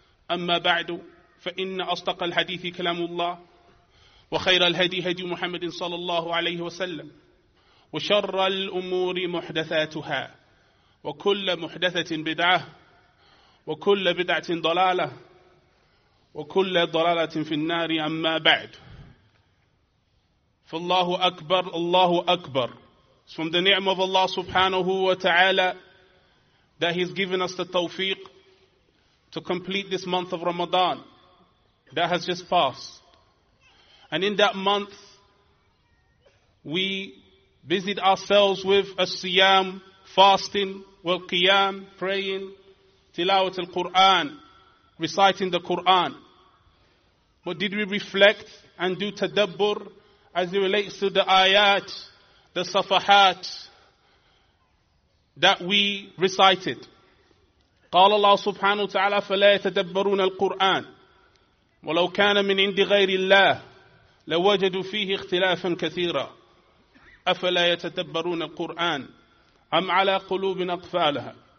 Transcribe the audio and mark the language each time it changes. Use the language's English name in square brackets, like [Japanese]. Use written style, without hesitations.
[Arabic] أما بعد، فإن أصدق الحديث كلام الله، وخير الهدي هدي محمد صلى الله عليه وسلم، وشر الأمور محدثاتها، وكل محدثة بدعة، وكل بدعة ضلالة، وكل ضلالة في النار. أما بعد، فالله أكبر، الله أكبر. [English] It's from the ni'mah of Allah subhanahu wa ta'ala that He's given us the tawfiq to complete this month of Ramadan that has just passed. And in that month, we busied ourselves with as-siyam, fasting, wal-qiyam, praying, tilawat al-Qur'an, reciting the Qur'an. But did we reflect and do tadabbur as it relates to the ayat, the safahat that we recited? [Arabic] قال الله سبحانه وتعالى فلا يتدبرون القرآن ولو كان من عند غير الله لوجدوا فيه اختلافا كثيرا أفلا يتدبرون القرآن أم على قلوب أقفالها.